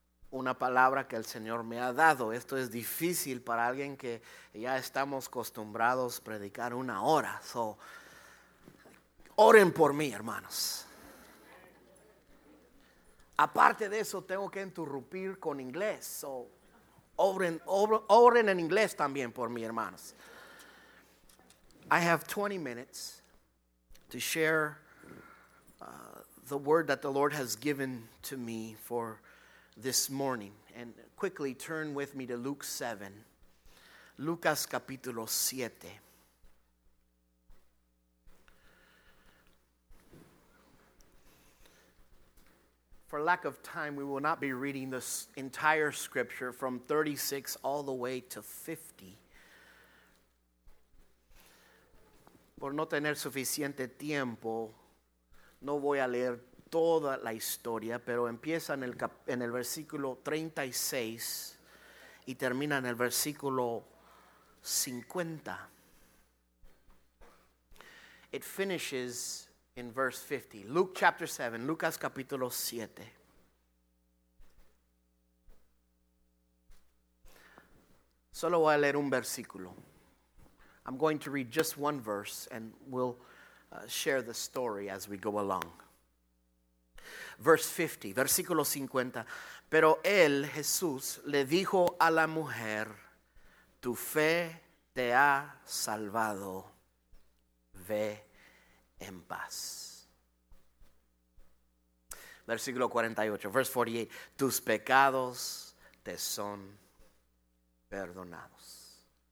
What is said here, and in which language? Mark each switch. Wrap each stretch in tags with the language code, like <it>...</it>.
<es>una palabra que el Señor me ha dado. Esto es difícil para alguien que ya estamos acostumbrados a predicar una hora. So, oren por mí, hermanos. Aparte de eso, tengo que interrumpir con inglés. So, oren en inglés también por mí, hermanos.</es> <en>I have 20 minutes to share the word that the Lord has given to me for this morning. And quickly turn with me to Luke 7.</en> <es>Lucas capítulo 7.</es> <en>For lack of time, we will not be reading this entire scripture from 36 all the way to 50.</en> <es>Por no tener suficiente tiempo, no voy a leer toda la historia, pero empieza en el versículo 36 y termina en el versículo 50.</es> <en>It finishes in verse 50. Luke chapter 7,</en> <es>Lucas capítulo 7. Solo voy a leer un versículo.</es> <en>I'm going to read just one verse and we'll share the story as we go along. Verse 50,</en> <es>versículo 50. Pero él, Jesús, le dijo a la mujer, tu fe te ha salvado, ve en paz. Versículo 48,</es> <en>verse 48.</en> <es>Tus pecados te son perdonados.</es>